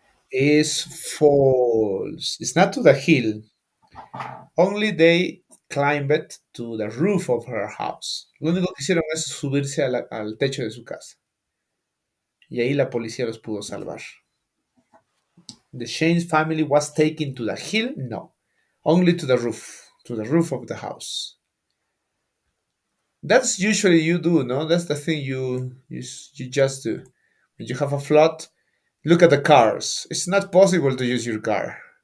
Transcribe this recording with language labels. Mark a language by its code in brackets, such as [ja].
[en] Is false. It's not to the hill. Only they climbed to the roof of her house. [es] Lo único que hicieron es subirse al techo de su casa. Y ahí la policía los pudo salvar. [en] The Shane family was taken to the hill? No. Only to the roof of the house. That's usually you do, no? That's the thing you just do. When you have a flood, look at the cars. It's not possible to use your car.